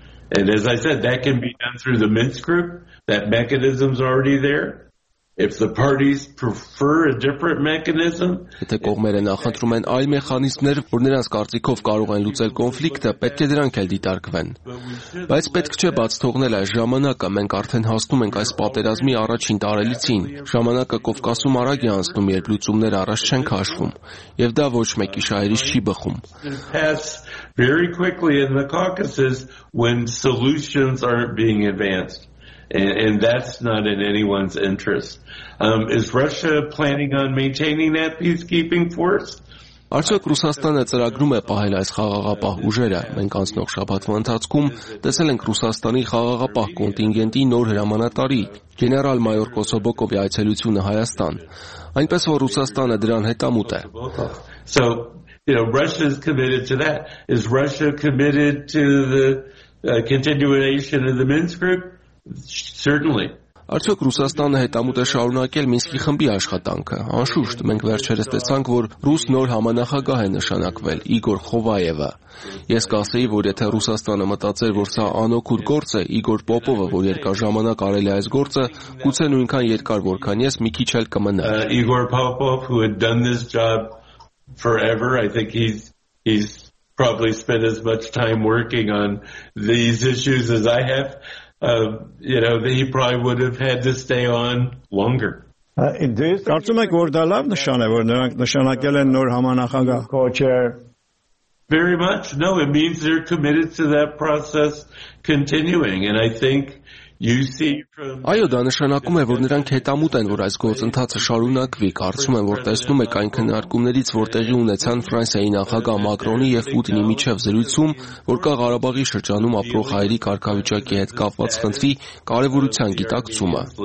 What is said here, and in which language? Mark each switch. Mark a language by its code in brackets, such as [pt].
[en] And as I said, that can be done through the Minsk group, that mechanism's already there. If the parties prefer a different mechanism, [hy] եթե կողմերը նախընտրում են այլ մեխանիզմներ, որ նրանց կարծիքով կարող են լուծել կոնֆլիկտը, պետք է դրանք էլ դիտարկվեն։ Բայց պետք չէ բաց թողնել այս ժամանակը, մենք արդեն հասնում ենք այս պատերազմի առաջին տարելիցին։ Ժամանակը Կովկասում արագ է անցնում, երբ լուծումներ առաջ չեն քաշվում, եւ դա ոչ մեկի շահերից չի բխում։ [en] Very quickly in the Caucasus when solutions aren't being advanced. And that's not in anyone's interest. Is Russia planning on maintaining that peacekeeping force? [hy] Արդյոք Ռուսաստանը ծրագրում է պահել այս խաղաղապահ ուժերը։ Մենք անցնող շաբաթվա ընթացքում տեսել ենք Ռուսաստանի խաղաղապահ կոնտինգենտի նոր հրամանատարի, գեներալ մայոր Կոսոբոկովի այցելությունը Հայաստան, այնպես որ Ռուսաստանը դրան հետամուտ է։ [en] So, you know, Russia is committed to that. Is Russia committed to the continuation of the Minsk group? Certainly. [hy] Արդյոք Ռուսաստանը հետամուտ է շարունակել Մինսկի խմբի աշխատանքը։ Անշուշտ, մենք վերջերս տեսանք, որ ռուս նոր համանախագահ է նշանակվել Իգոր Խովաևը։ Ես կասեի, որ եթե Ռուսաստանը մտածեր, որ սա անօգուտ գործ է, Իգոր Պոպովը, որ երկար ժամանակ արել է այս գործը, գուցե նույնքան երկար, որքան ես, մի քիչ էլ կմնա։ [en] Իգոր Պոպով, who had done this job forever, I think he's probably spent as much time working on these issues as I have. He probably would have had to stay on longer. [hy] Կարծում եք, որ դա լավ նշան է, որ նրանք նշանակել են նոր համանախագահ։ [en] Very much. No, it means they're committed to that process continuing, and I think you see from [hy] Այո, դա նշանակում է, որ նրանք հետամուտ են, որ այս գործընթացը շարունակվի։ Կարծում եմ, որ տեսնում եք այն քննարկումներից, որ տեղի ունեցան Ֆրանսիայի նախագահ Մակրոնի եւ Պուտինի միջև զրույցում, որ կա Ղարաբաղի շրջանում ապրող հայերի կարգավիճակի հետ կապված խնդրի կարևորության գիտակցումը։